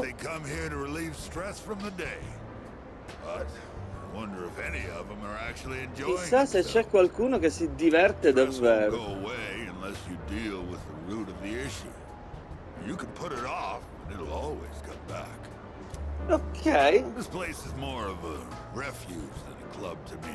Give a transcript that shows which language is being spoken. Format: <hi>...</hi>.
<en>They come here to relieve stress from the day. But I wonder if any of them are actually enjoying.</en> <it>Chissà se c'è qualcuno che si diverte davvero.</it> <en>Go away unless you deal with the root of the issue. You can put it off, but it'll always come back. Okay. This place is more of a refuge than a club to me.</en>